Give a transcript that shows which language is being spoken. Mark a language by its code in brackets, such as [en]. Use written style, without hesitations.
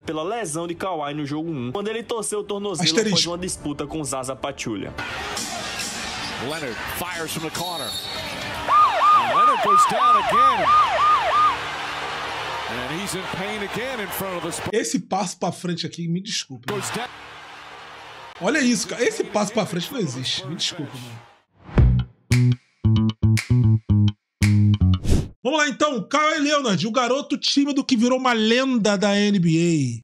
[pt] pela lesão de Kawhi no jogo 1, quando ele torceu o tornozelo após uma disputa com Zaza Pachulia. [en] Leonard fires from the corner. Leonard goes down again. And he's in pain again in front of the spot. [pt] Esse passo pra frente aqui, me desculpe. Olha isso, cara. Esse passo pra frente não existe. Me desculpa, mano. Vamos lá, então. Kawhi Leonard, o garoto tímido que virou uma lenda da NBA.